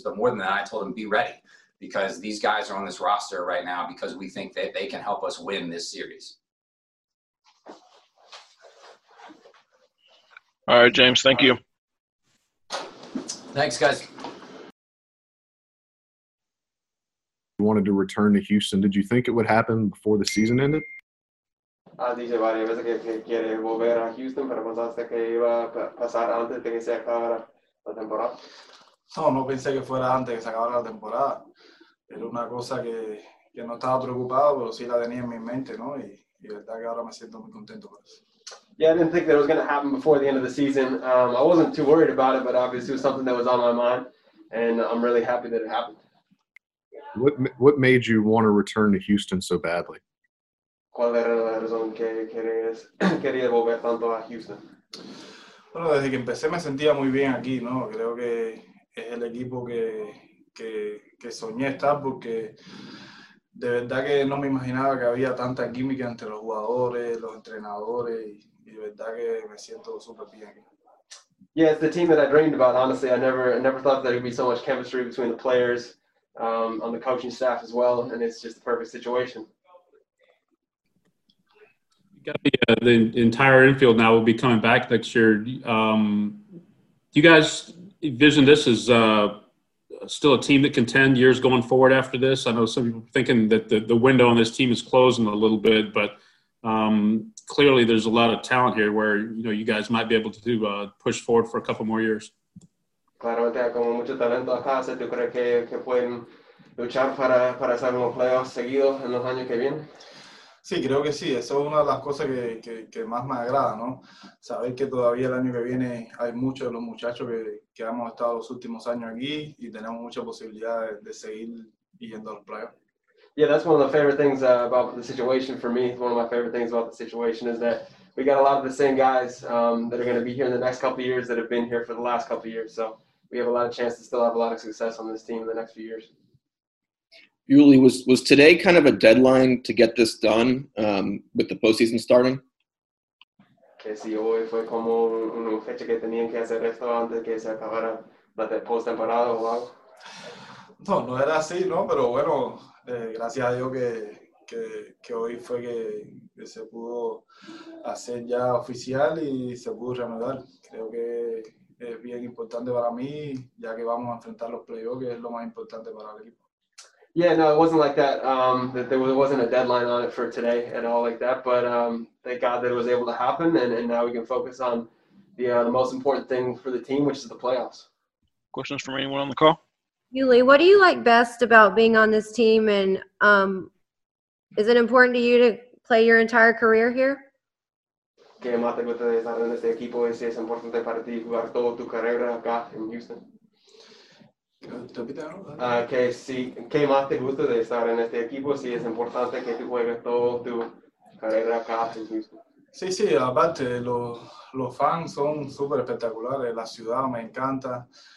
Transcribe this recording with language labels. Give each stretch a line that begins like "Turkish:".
English: But more than that, I told him, be ready, because these guys are on this roster right now because we think that they can help us win this series. All right, James, thank you. Thanks, guys. You wanted to return to Houston. Did you think it would happen before the season ended?
Spanish: Dije varias veces que quiere volver a Houston, pero pensaste que iba a pasar antes de que se acabara la temporada. No, no pensé que fuera antes de que se acabara la temporada. Era una cosa que no estaba preocupado, pero sí la tenía en mi mente, ¿no? Y verdad que ahora me siento muy contento por eso.
English: Yeah, I didn't think that it was going to happen before the end of the season. I wasn't too worried about it, but obviously it was something that was on my mind, and I'm really happy that it happened. What made you want to return to Houston so badly?
Spanish: ¿Cuál era la razón que quería volver tanto a Houston? Bueno, desde que empecé me sentía muy bien aquí, ¿no? Creo que es el equipo que soñé estar, porque de verdad que no me imaginaba que había tanta química entre los jugadores, los entrenadores, y de verdad que me siento súper bien aquí.
English: Yeah, it's the team that I dreamed about, honestly. I never thought there would be so much chemistry between the players, on the coaching staff as well, and it's just the perfect situation. The entire infield now will be coming back next year. Do you guys envision this as still a team that contend years going forward after this? I know some people are thinking that the window on this team is closing a little bit, but clearly there's a lot of talent here where, you know, you guys might be able to push forward for a couple more years.
Spanish: Claramente, como mucho talento acá, ¿se tú crees que pueden luchar para hacer unos playoffs seguidos en los años que vienen? Sí, creo que sí. Eso es una de las cosas que más me agrada, ¿no? Saber que todavía el año que viene hay muchos de los muchachos que hemos estado los últimos años aquí y tenemos mucha posibilidad de seguir yendo a los playoffs.
English: Yeah, that's one of the favorite things about the situation for me. One of my favorite things about the situation is that we got a lot of the same guys that are going to be here in the next couple of years that have been here for the last couple of years. So we have a lot of chance to still have a lot of success on this team in the next few years. Yuli, was today kind of a deadline to get this done with the postseason starting?
Spanish: Que si hoy fue como una fecha que tenían que hacer esto antes que se acabara la postemporada o algo. No, no era así, no, pero bueno, gracias a Dios que hoy fue que se pudo hacer ya oficial y se pudo reanudar. Creo que es bien importante para mí, ya que vamos a enfrentar los playoffs, que es lo más importante para el equipo.
English: Yeah, no, it wasn't like that. There wasn't a deadline on it for today at all like that, but thank God that it was able to happen, and now we can focus on the most important thing for the team, which is the playoffs. Questions from anyone on the call? Yuli, what do you like best about being on this team, and is it important to you to play your entire career here?
Spanish: ¿Qué más te gusta de estar en este equipo? ¿Es importante para ti jugar toda tu carrera acá en Houston? ¿Qué más te gusta de estar en este equipo? ¿Si es importante que tú juegues toda tu carrera acá en Houston? Sí, sí, aparte, los fans son súper espectaculares, la ciudad me encanta.